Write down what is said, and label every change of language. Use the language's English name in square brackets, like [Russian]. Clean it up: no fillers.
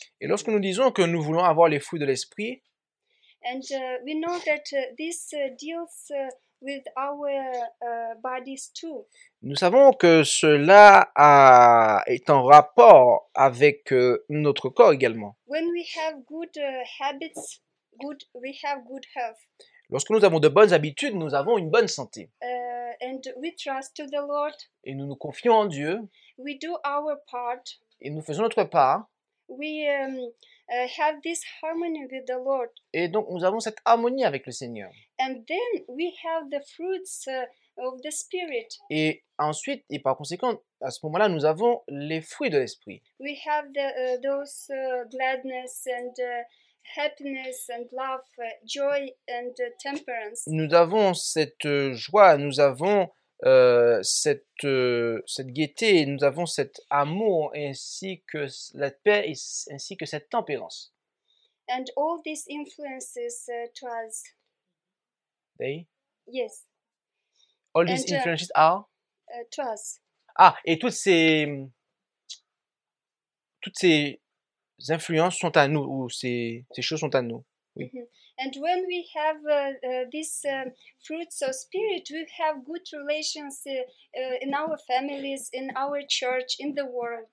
[French] Et lorsque nous disons que nous voulons avoir les fruits de l'esprit. [English] And we know that this deals with our bodies too. [French] Nous savons que cela est en rapport avec notre corps également. [English] When we have good habits, we have good health. [French] Lorsque nous avons de bonnes habitudes, nous avons une bonne santé. [English] And we trust to the Lord. [French] Et nous nous confions en Dieu. [English] We do our part. [French] Et nous faisons notre part. [English] We have this harmony with the Lord. [French] Et donc nous avons cette harmonie avec le Seigneur. [English] And then we have the fruits of the Spirit. [French] Et ensuite, et par conséquent, à ce moment-là, nous avons les fruits de l'Esprit. [English] We have the, those gladness and happiness and love, joy and temperance. [French] Nous avons cette joie, nous avons cette gaieté, nous avons cet amour ainsi que la paix et ainsi que cette tempérance. [English] And all these influences to us. They? Yes. All these influences are? To us. [French] Ah, et toutes ces influences sont à nous, ou ces choses sont à nous. Oui. Mm-hmm. [English] And when we have these fruits of spirit, we have good relations in our families, in our church, in the world.